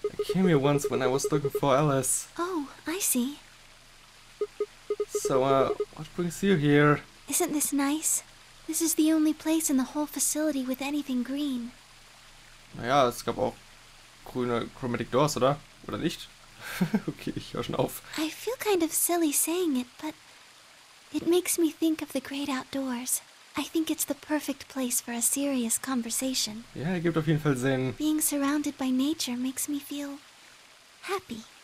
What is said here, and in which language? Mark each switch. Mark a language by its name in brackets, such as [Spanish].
[English] I came here once when I was looking for Alice. Oh, I see. So, what brings you here? Isn't this nice? This is the only place in the whole facility with anything green. [German] Naja, es gab auch grüne chromatic doors, oder? Oder nicht? Okay, ich hör schon auf. [English] I feel kind of silly saying it, but it makes me think of the great outdoors. I think it's the perfect place for a serious conversation. [German] Ja, gibt auf jeden Fall Sinn. [English] Being surrounded by nature makes me feel happy.